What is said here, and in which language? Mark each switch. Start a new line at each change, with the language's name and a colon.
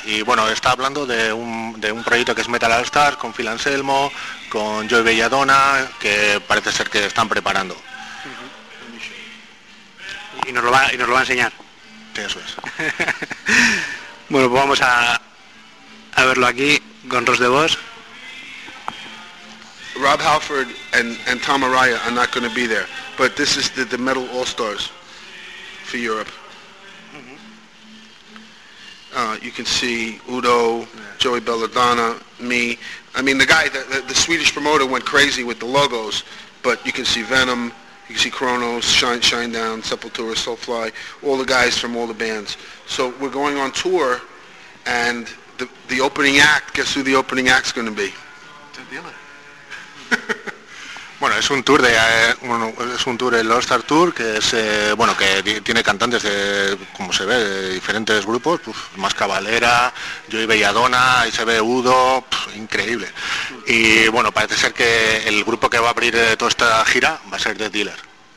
Spanish: Y bueno, está hablando de un proyecto que es Metal All Stars con Phil Anselmo, con Joey Belladonna, que parece ser que están preparando. Uh-huh. Y nos lo va a enseñar. Sí, eso es. Bueno, pues vamos a verlo aquí con Ross DeVos.
English: Rob Halford and Tom Araya are not going to be there, but this is the Metal All Stars. For Europe. Mm-hmm. You can see Udo, yeah. Joey Belladonna, me. I mean, the guy, the Swedish promoter went crazy with the logos, but you can see Venom, you can see Kronos, Shinedown, Sepultura, Soulfly, all the guys from all the bands. So we're going on tour, and the opening act, guess who the opening act's going to be?
Spanish: Bueno, es un tour el All Star Tour, que es bueno, que tiene cantantes de, como se ve, de diferentes grupos, pues Más Cabalera, Joey Belladonna, ahí se ve Udo, increíble. Y bueno, parece ser que el grupo que va a abrir toda esta gira va a ser The Dealer.